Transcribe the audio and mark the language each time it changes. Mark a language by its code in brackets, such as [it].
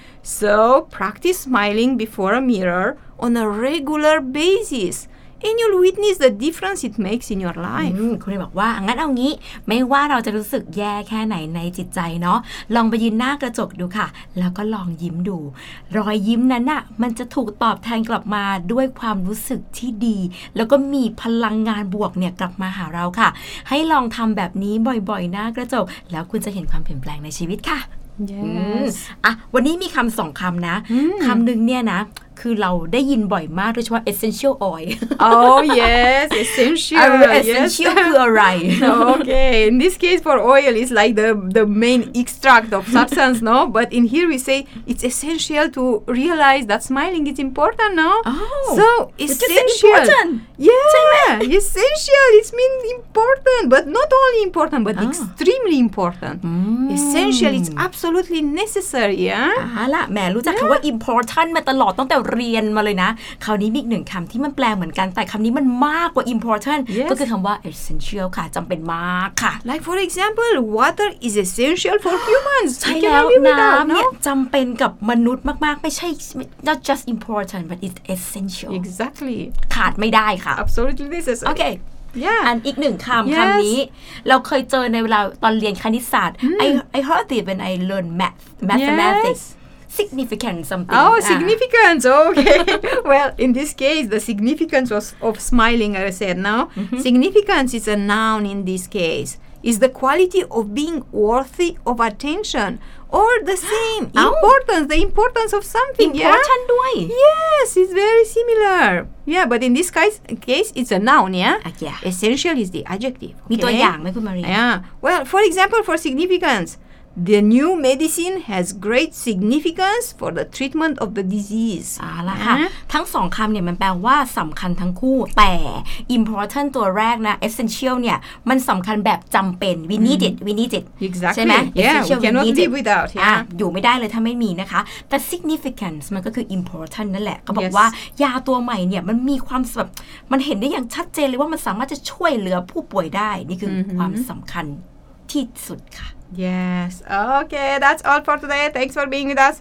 [en] So, practice smiling before a mirror on a regular basis. And you'll witness the difference it makes in your life. [th] คุณเลยบอกว่างั้นเอางี้ไม่ว่าเราจะรู้สึกแย่แค่ไหนในจิตใจเนาะลองไปยืนหน้ากระจกดูค่ะแล้วก็ลองยิ้มดูรอยยิ้มนั้นน่ะมันจะถูกตอบแทนกลับมาด้วยความรู้สึกที่ดีแล้วก็มีพลังงานบวกเนี่ยกลับมาหาเราค่ะให้ลองทำแบบนี้บ่อยๆหน้ากระจกแล้วคุณจะเห็นความเปลี่ยนแปลงในชีวิตค่ะ [en] Yes. [th] อ่ะวันนี้มีคำสองคำนะคำหนึ่งเนี่ยนะคือเราได้ยินบ่อยมากโดยเฉพาะ essential oil [en] oh yes essential [th] essential คืออะไร [en] okay in this case for oil is like the main extract of substance no but in here we say it's essential to realize that smiling is important no oh, so essential important. yeah essential it means important but not only important but extremely important essential it's absolutely necessary yeah [th] ฮัลโหลแม่รู้จักคำว่า important มาตลอดตั้งแต่เรียนมาเลยนะคราวนี้มีอีกหนึ่งคำที่มันแปลเหมือนกันแต่คำนี้มันมากกว่า important [en] yes. [th] ก็คือคำว่า essential ค่ะจำเป็นมากค่ะ [en] like for example water is essential for humans [th] ใช่แล้วน้ำเนี่ยจำเป็นกับมนุษย์มากๆไม่ใช่ [en] not just important but it's essential exactly [th] ขาดไม่ได้ค่ะ [en] absolutely necessary okay yeah [th] อันอีกหนึ่งคำ [en] yes. [th] คำนี้เราเคยเจอในเวลาตอนเรียนคณิตศาสตร์ [en] hmm. I heard it when I learned mathematics yes. Significance something. Oh, significance. Okay. Well, in this case, the significance was of smiling, I said, no? Mm-hmm. Significance is a noun in this case. It's the quality of being worthy of attention. Or the same. importance. The importance of something. Important yeah? way. Yes, it's very similar. Yeah, but in this case, it's a noun, yeah? Yeah. Essential is the adjective. Okay? 미도양, yeah. Well, for example, for significance. The new medicine has great significance for the treatment of the disease. [th] อ่าล่ะค่ะทั้งสองคำเนี่ยมันแปลว่าสำคัญทั้งคู่แต่ important ตัวแรกนะ essential เนี่ยมันสำคัญแบบจำเป็น [en] we need it we need it exactly [th] ใช่ไหม [en] yeah, essential we need it [th] อยู่ไม่ได้เลยถ้าไม่มีนะคะแต่ significance มันก็คือ important นั่นแหละเขาบอกว่ายาตัวใหม่เนี่ยมันมีความแบบมันเห็นได้อย่างชัดเจนเลยว่ามันสามารถจะช่วยเหลือผู้ป่วยได้นี่คือความสำคัญที่สุดค่ะ [en] Yes. Okay, that's all for today. Thanks for being with us.